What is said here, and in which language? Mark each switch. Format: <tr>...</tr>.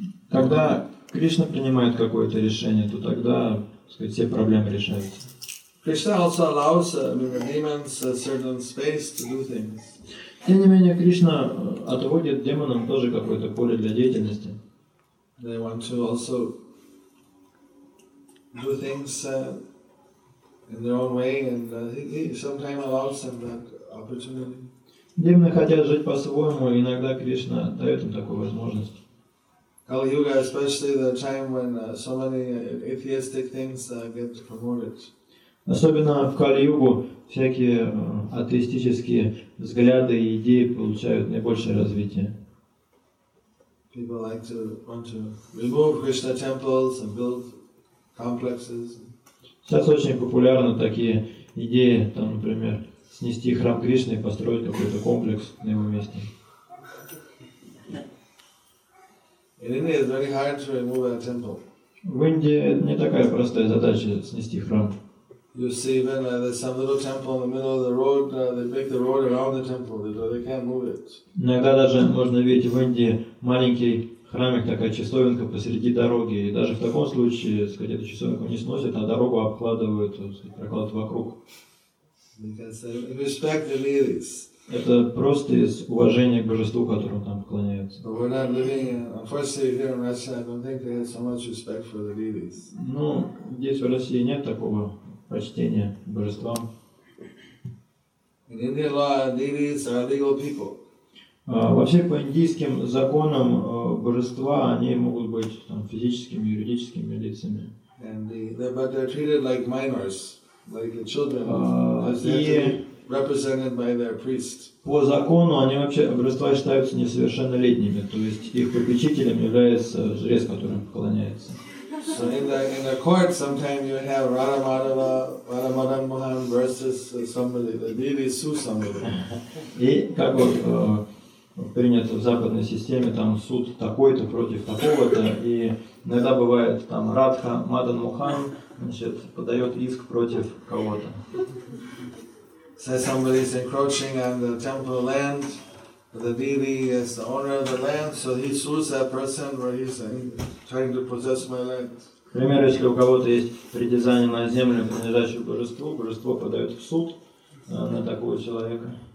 <ru>Когда Кришна принимает какое-то решение, то тогда, так сказать, все проблемы решаются.</ru> <en>Krishna also allows demons a certain space to do things.</en> <ru>Тем не менее, Кришна отводит демонам тоже какое-то поле для деятельности.</ru> <en>They want to also do things in their own way, and he sometimes allows them that opportunity.</en> <ru>Демоны хотят жить по-своему, и иногда Кришна дает им такую возможность.</ru> <en>Kali Yuga, especially the time when so many atheistic things get promoted.</en> <ru>Особенно в Кали-Югу всякие атеистические взгляды и идеи получают наибольшее развитие.</ru> <en>People like to want to remove Krishna temples and build complexes.</en> <ru>Сейчас очень популярны такие идеи, там, например, снести храм Кришны и построить какой-то комплекс на его месте.</ru> <en>In India it's very hard to remove a temple.</en> <ru>В Индии не такая простая задача снести храм.</ru> <en>You see, even there's some little temple in the middle of the road. They make the road around the temple, so they can't move it.</en> <ru>Иногда даже можно видеть в Индии маленький храмик, такая часовенка посреди дороги. И даже в таком случае, сказать, эту часовенку не сносят, а дорогу обкладывают, сказать, прокладывают вокруг.</ru> <en>Because they respect the deities.</en> <ru>Это просто из уважения к божеству, которому там поклоняются.</ru> <en>But we're not living, unfortunately, here in Russia. I don't think they have so much respect for the deities.</en> <ru>Ну, здесь в России нет такого почтение божествам.</ru> <en>In India, deities are legal people.</en> <ru>Вообще по индийским законам божества они могут быть там физическими, юридическими лицами.</ru> <en>And but they're treated like minors, like children, as they're represented by their priest.</en> <ru>По закону они вообще божества считаются несовершеннолетними, то есть их попечителем является жрец, которым поклоняется.</ru> <en>So in the court, sometimes you have Radha Madhava, Radha Madan Mohan versus somebody. The deity sues somebody.</en> <ru>И как вот принято в западной системе, там суд такой-то против такого-то, и иногда бывает там Радха Мадан Мохан, значит, подает иск против кого-то.</ru> <en>Say somebody is encroaching on the temple land. The deity is the owner of the land, so he sues that person where he's trying to possess my land.</en> <ru>Например, если у кого-то есть притязание на землю, принадлежащую божеству, божество подает в суд на такого человека.</ru>